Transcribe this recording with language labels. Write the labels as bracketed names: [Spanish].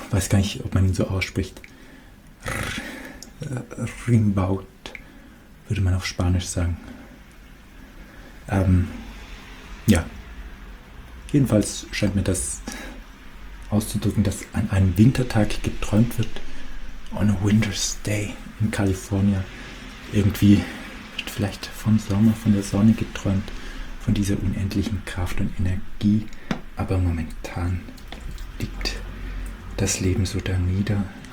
[German] Weiß gar nicht, ob man ihn so ausspricht. Rimbaud, würde man auf Spanisch sagen. Ja. Jedenfalls scheint mir das auszudrücken, dass an einem Wintertag geträumt wird. [English] On a winter's day in California. [German] Irgendwie wird vielleicht vom Sommer, von der Sonne geträumt, von dieser unendlichen Kraft und Energie. Aber momentan liegt das Leben so darnieder.